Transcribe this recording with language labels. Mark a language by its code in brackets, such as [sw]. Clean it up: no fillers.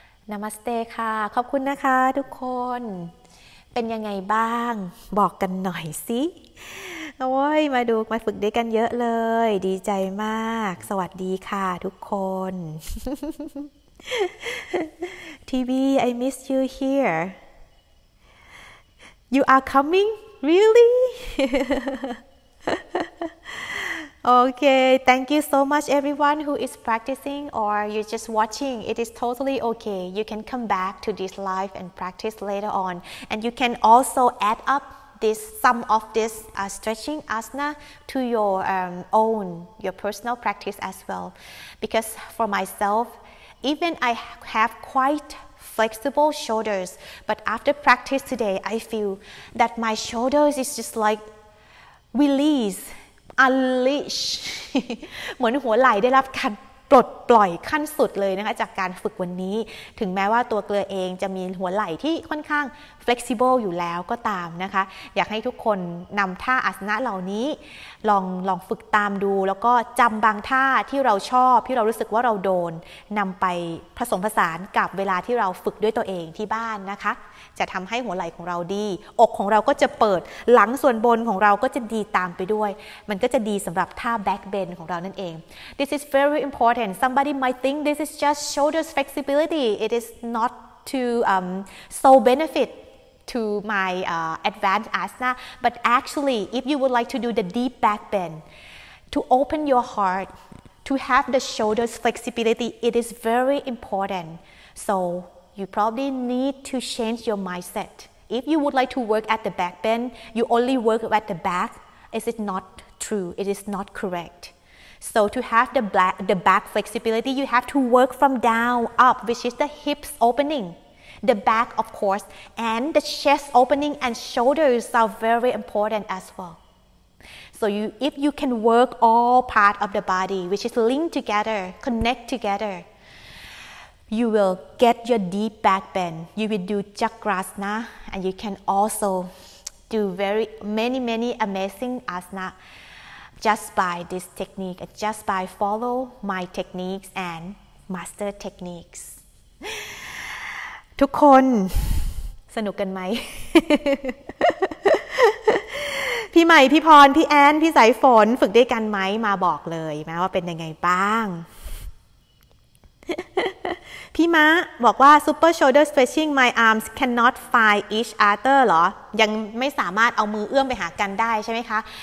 [th] Namaste ค่ะขอบคุณนะคะทุกคนเป็นยังไงบ้างบอกกันหน่อยสิโอ้ยมาดูมาฝึกด้วยกันเยอะเลยดีใจมากสวัสดีค่ะทุกคน [en] TV I miss you here You are coming really Okay, thank you so much everyone who is practicing or you're just watching. It is totally okay. You can come back to this live and practice later on. And you can also add up this, some of this stretching asana to your own, your personal practice as well. Because for myself, even I have quite flexible shoulders, but after practice today, I feel that my shoulders is just like release. [th] Unleash เหมือนหัวไหล่ได้รับการปลดปล่อยขั้นสุดเลยนะคะจากการฝึกวันนี้ถึงแม้ว่าตัวเกลือเองจะมีหัวไหล่ที่ค่อนข้าง flexible อยู่แล้วก็ตามนะคะอยากให้ทุกคนนำท่าอาสนะเหล่านี้ ลองฝึกตามดูแล้วก็จำบางท่าที่เราชอบที่เรารู้สึกว่าเราโดนนำไปผสมผสานกับเวลาที่เราฝึกด้วยตัวเองที่บ้านนะคะ จะทำให้หัวไหล่ของเราดีอกของเราก็จะเปิดหลังส่วนบนของเราก็จะดีตามไปด้วยมันก็จะดีสำหรับท่า back bend ของเรานั่นเอง [en] This is very important somebody might think this is just shoulders flexibility it is not to so benefit to my advanced asana but actually if you would like to do the deep back bend to open your heart to have the shoulders flexibility it is very important soYou probably need to change your mindset. If you would like to work at the back bend, you only work at the back. Is it not true? It is not correct. So to have the back flexibility, you have to work from down up, which is the hips opening, the back of course, and the chest opening and shoulders are very important as well. So you, if you can work all part of the body, which is linked together, connect together, you will get your deep back bend. You will do chakrasana, and you can also do very many, many amazing asana just by this technique, just by follow my techniques and master techniques. [th] ทุกคนสนุกกันไหมพี่ใหม่พี่พรพี่แอนพี่สายฝนฝึกได้กันไหมมาบอกเลยนะว่าเป็นยังไงบ้างพี่ม้าบอกว่า [en] super shoulder stretching my arms cannot find each other [th] หรอยังไม่สามารถเอามือเอื้อมไปหากันได้ใช่ไหมคะ